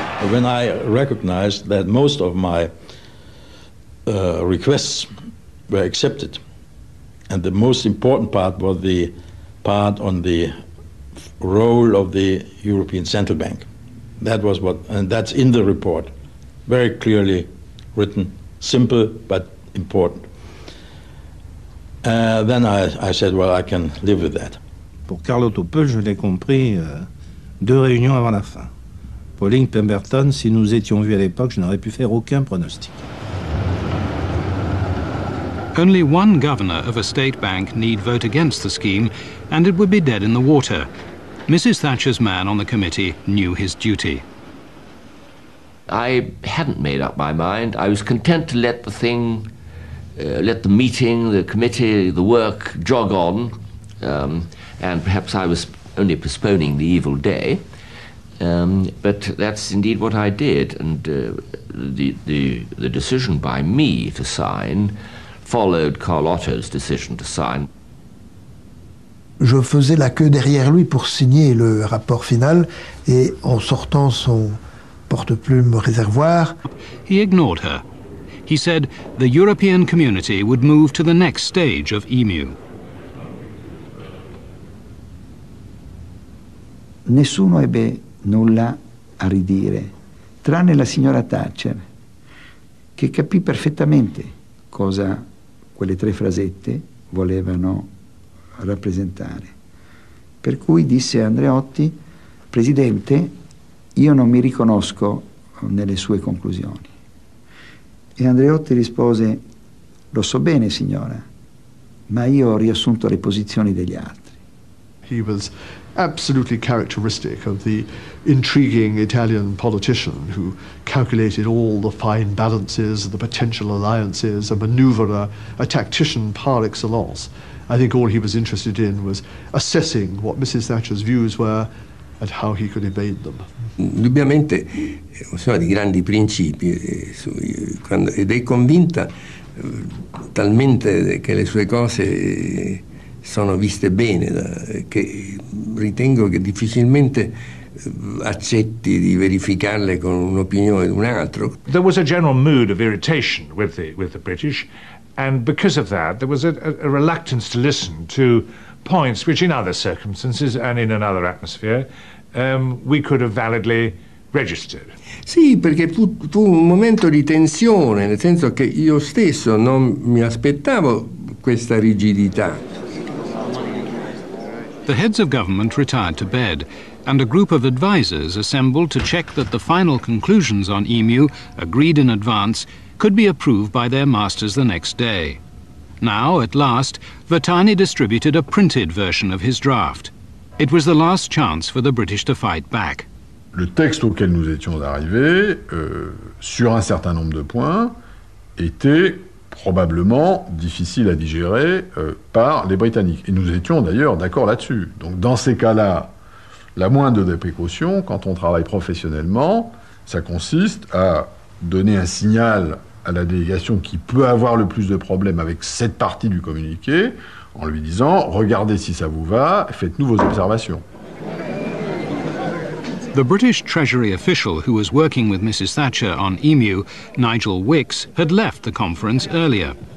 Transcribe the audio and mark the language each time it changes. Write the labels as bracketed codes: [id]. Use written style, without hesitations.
[en] when I recognized that most of my requests were accepted, and the most important part was the part on the role of the European Central Bank. That was what, and that's in the report, very clearly written, simple but important. Then I said, well, I can live with that. [fr] Pour Carlo Topel, je l'ai compris deux réunions avant la fin. Pauline Pemberton, si nous étions vus à l'époque, je n'aurais pu faire aucun pronostic. [en] Only one governor of a state bank need vote against the scheme, and it would be dead in the water. Mrs. Thatcher's man on the committee knew his duty. I hadn't made up my mind. I was content to let the thing, let the meeting, the committee, the work jog on, and perhaps I was only postponing the evil day. But that's indeed what I did, and the decision by me to sign followed Carl Otto's decision to sign. [fr] Je faisais la queue derrière lui pour signer le rapport final, et en sortant son porte-plume réservoir, [en] he ignored her. He said the European community would move to the next stage of EMU. [it] Nessuno ebbe nulla a ridire, tranne la signora Thatcher, che capì perfettamente cosa quelle tre frasette volevano rappresentare. Per cui disse Andreotti, Presidente, io non mi riconosco nelle sue conclusioni. E Andreotti rispose, lo so bene, signora, ma io ho riassunto le posizioni degli altri. [en] He was absolutely characteristic of the intriguing Italian politician who calculated all the fine balances, the potential alliances, a maneuverer, a tactician par excellence. I think all he was interested in was assessing what Mrs. Thatcher's views were and how he could evade them. [it] Indubbiamente, sono di grandi principi, ed è convinta talmente che le sue cose sono viste bene, che ritengo che difficilmente accetti di verificarle con un'opinione di un altro. [en] There was a general mood of irritation with the British, and because of that there was a reluctance to listen to points which in other circumstances and in another atmosphere we could have validly registered. [it] Sì, perché fu un momento di tensione, nel senso che io stesso non mi aspettavo questa rigidità. [en] The heads of government retired to bed, and a group of advisers assembled to check that the final conclusions on EMU, agreed in advance, could be approved by their masters the next day. Now, at last, Vattani distributed a printed version of his draft. It was the last chance for the British to fight back. [fr] Le texte auquel nous étions arrivés, sur un certain nombre de points, était probablement difficile à digérer par les Britanniques. Et nous étions d'ailleurs d'accord là-dessus. Donc dans ces cas-là, la moindre des précautions, quand on travaille professionnellement, ça consiste à donner un signal à la délégation qui peut avoir le plus de problèmes avec cette partie du communiqué, en lui disant, regardez si ça vous va, faites-nous vos observations. [en] The British Treasury official who was working with Mrs. Thatcher on EMU, Nigel Wicks, had left the conference earlier.